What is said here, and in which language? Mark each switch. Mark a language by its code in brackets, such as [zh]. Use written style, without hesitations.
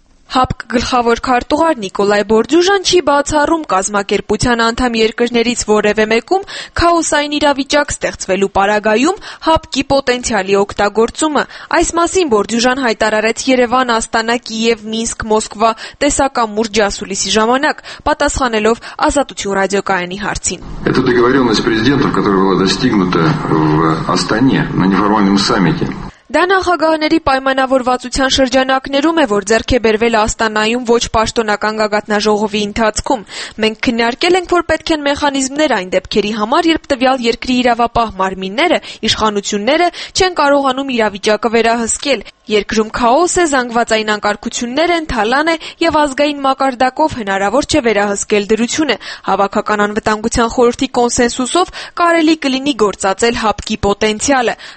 [hy] ՀԱՊԿ գլխավոր քարտուղար Նիկոլայ Բորդյուժան չի բացառում կազմակերպության անդամ երկրներից որևէ մեկում քաոսային իրավիճակ ստեղծվելու պարագայում ՀԱՊԿ-ի պոտենցիալի օգտագործումը։ Այս մասին Բորդյուժան հայտարարեց Երևան, Աստանա, Կիև, Մինսկ, Մոսկվա տեսակամուրջ ասուլիսի ժամանակ, պատասխանելով Ազատություն ռադիոկայանի հարցին։ [ru] Эта договорённость президентов, которая была достигнута в Астане на неформальном саммите, [hy] դա նախագահների պայմանավորվածության շրջանակներում է, որ ձեռք է բերվել Աստանայում ոչ պաշտոնական գագաթնաժողովի ընթացքում։ Մենք քննարկել ենք, որ պետք են մեխանիզմներ այն դեպքերի համար, երբ տվյալ երկրի իրավապահ մարմինները, իշխանությունները չեն կարողանում իրավիճակը վերահսկել։ Երկրում քաոս է, զանգվածային անկարգություններ են, թալան է և ազգային մակարդակով հնարավոր չէ վերահսկել դրությունը։ Հավաքական անվտանգության խորհրդի կոնսենսուսով կարելի կլինի գործածել ՀԱՊԿ-ի պոտենցիալը,